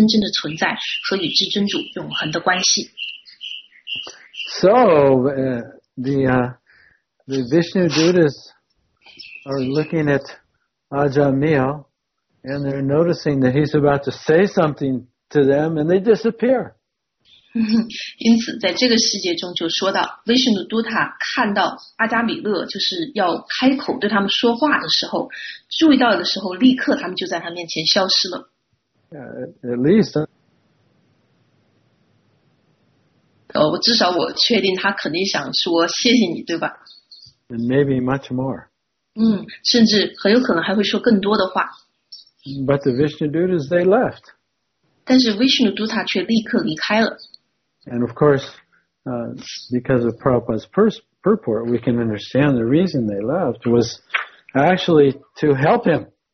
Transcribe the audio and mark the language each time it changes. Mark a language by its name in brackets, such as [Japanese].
[Chinese] 愿所有的生物体都能觉醒开来，能够觉知到他们真正的存在和与至尊主永恒的关系。 [English] So, the Vishnu Duttas are looking at Ajamil and they're noticing that he's about to say something to them and they disappear. [Chinese] 因此在这个世界中就说到，维什努都塔看到阿迦米勒就是要开口对他们说话的时候，注意到的时候，立刻他们就在他面前消失了。 [English] At least. [Chinese] 至少我确定他肯定想说谢谢你，对吧？ [English] And maybe much more. [Chinese] 甚至很有可能还会说更多的话。 [English] But the Vishnu Duttas, they left. [Chinese] 但是维什努都塔却立刻离开了。 [English] And of course, because of Prabhupada's purport, we can understand the reason they left was actually to help him.